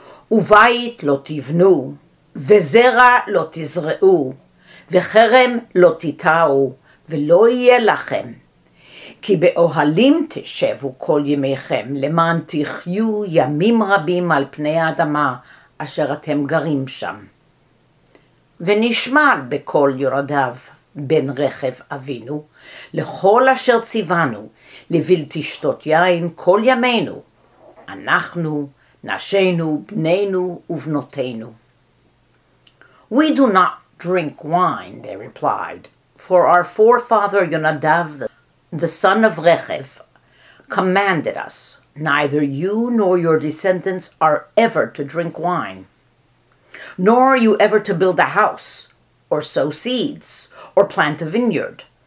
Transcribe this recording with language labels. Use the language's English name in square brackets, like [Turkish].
[Hebrew] uvayit lo tivnu vezera lo tizreu vecherem lo titau velo yeh lachem כי באוהלים תשבו כל ימיכם, למען תחיו ימים רבים על פני האדמה אשר אתם גרים שם. ונשמע בקול יורדיו בן רכב אבינו, לכל אשר ציוונו, לבלתי שתות יין כל ימינו, אנחנו, נשינו, בנינו ובנותינו. [English] We do not drink wine, they replied, for our forefather Yonadav the son of Rechev commanded us, neither you nor your descendants are ever to drink wine, nor are you ever to build a house, or sow seeds, or plant a vineyard.